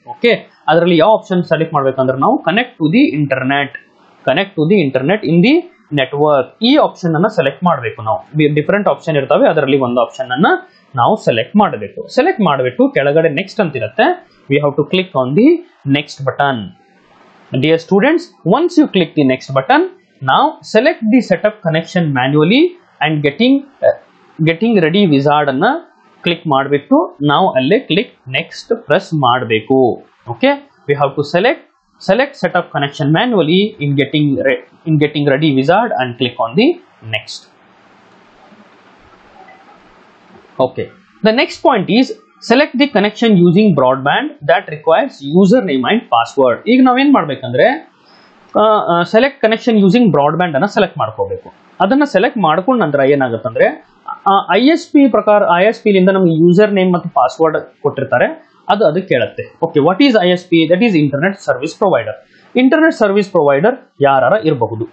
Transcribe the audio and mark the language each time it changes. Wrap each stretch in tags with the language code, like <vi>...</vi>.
<kn>Okay, ಅದರಲ್ಲಿ ಯಾವ option select ಮಾಡಬೇಕಂದ್ರೆ ನಾವು connect to the internet, connect to the internet in the network, ಈ ಆಪ್ಷನ್ ಅನ್ನು ಸೆಲೆಕ್ಟ್ ಮಾಡಬೇಕು. ನಾವು ಡಿಫರೆಂಟ್ ಆಪ್ಷನ್ ಇರ್ತವೆ, ಅದರಲ್ಲಿ ಒಂದು ಆಪ್ಷನ್ ಅನ್ನು ನಾವು ಸೆಲೆಕ್ಟ್ ಮಾಡಬೇಕು. ಸೆಲೆಕ್ಟ್ ಮಾಡಬೇಕು, ಕೆಳಗಡೆ ನೆಕ್ಸ್ಟ್ ಅಂತ ಇರುತ್ತೆ,</kn> <en>We have to click on the next button. Dear students, once you click the next button, now select the setup connection manually and getting ready wizard</en> <kn>anna click maadbittu now alle click next press maadbeku.</kn> <en>Okay, we have to select setup connection manually in getting ready wizard and click on the next. Okay, the next point is select the connection using broadband that requires username and password.</en> <kn>ಈಗ ನಾವು ಏನ್ ಮಾಡ್ಬೇಕಂದ್ರೆ select connection using broadband ಅನ್ನ select ಮಾಡ್ಕೋಬೇಕು. ಅದನ್ನ select ಮಾಡ್ಕೊಂಡ ನಂತರ ಏನಾಗುತ್ತಂದ್ರೆ ISP ಇಂದ ನಮ್ಗೆ ಯೂಸರ್ ನೇಮ್ ಮತ್ತು ಪಾಸ್ವರ್ಡ್ ಕೊಟ್ಟಿರ್ತಾರೆ, ಅದು ಕೇಳುತ್ತೆ.</kn> <en>Okay, what is ISP? That is internet service provider. Internet service provider</en> <kn>ಯಾರು ಇರಬಹುದು?</kn>